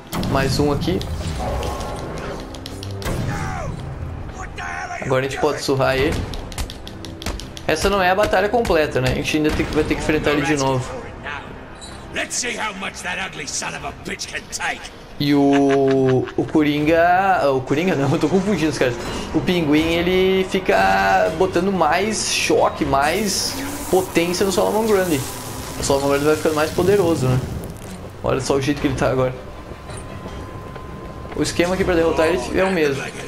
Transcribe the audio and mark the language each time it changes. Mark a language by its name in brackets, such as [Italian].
[Portuguese] Mais um aqui. Agora a gente pode surrar ele. Essa não é a batalha completa, né? A gente ainda vai ter que enfrentar ele de novo. [English] Let's see how much that ugly son of a bitch can take. [Portuguese] E o Coringa... O Coringa não, eu tô confundindo os caras. O Pinguim, ele fica botando mais choque, mais potência no Solomon Grundy. O Solomon Grundy vai ficando mais poderoso, né? Olha só o jeito que ele tá agora. O esquema aqui pra derrotar ele é o mesmo.